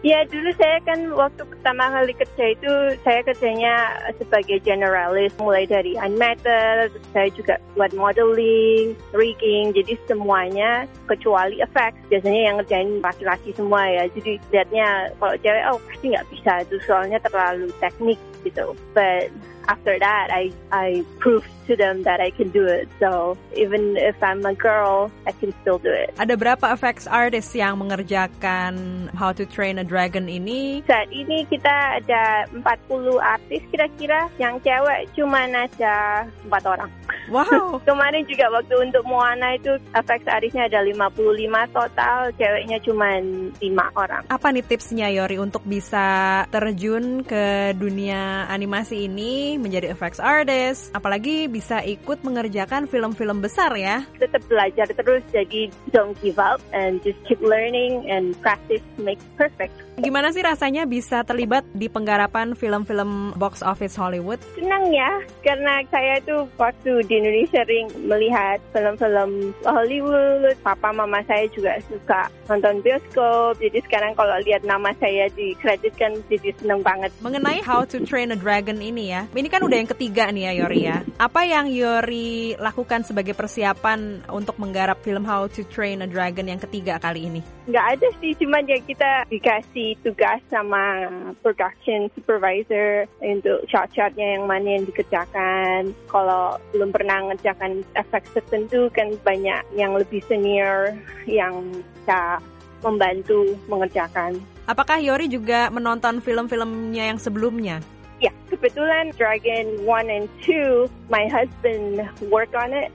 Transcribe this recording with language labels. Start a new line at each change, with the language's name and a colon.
Indonesian: Ya dulu saya kan waktu pertama kali kerja itu, saya kerjanya sebagai generalist. Mulai dari animator, saya juga buat modeling, rigging, jadi semuanya kecuali effects. Biasanya yang ngerjain laki-laki semua ya, jadi liatnya kalau cewek, oh pasti nggak bisa itu, soalnya terlalu teknik gitu.
English: But after that, I proved to them that I can do it. So even if I'm a girl, I can still do it.
Indonesian: Ada berapa effects artist yang mengerjakan How to Train a Dragon ini? Saat ini kita ada 40 artis kira-kira, yang cewek cuma ada 4 orang. Wow. Kemarin juga waktu untuk Moana itu effects artisnya ada 55 total, ceweknya cuma 5 orang. Apa nih tipsnya Yori untuk bisa terjun ke dunia animasi ini, menjadi effects artist, apalagi bisa ikut mengerjakan film-film besar ya? Tetap belajar terus, jadi
English: don't give up and just keep learning and practice makes perfect.
Indonesian: Gimana sih rasanya bisa terlibat di penggarapan film-film box office Hollywood? Senang ya, karena saya tuh waktu di Indonesia sering melihat film-film Hollywood. Papa mama saya juga suka nonton bioskop. Jadi sekarang kalau lihat nama saya dikreditkan, jadi senang banget. Mengenai How to Train a Dragon ini ya, ini kan udah yang ketiga nih ya Yori ya. Apa yang Yori lakukan sebagai persiapan untuk menggarap film How to Train a Dragon yang ketiga kali ini? Nggak ada sih, cuman ya kita dikasih tugas sama production supervisor untuk shot-shotnya yang mana yang dikerjakan. Kalau belum pernah ngerjakan efek tertentu kan banyak yang lebih senior yang bisa membantu mengerjakan. Apakah Yori juga menonton film-filmnya yang sebelumnya? Ya, kebetulan
English: Dragon 1 and 2, my husband work on it.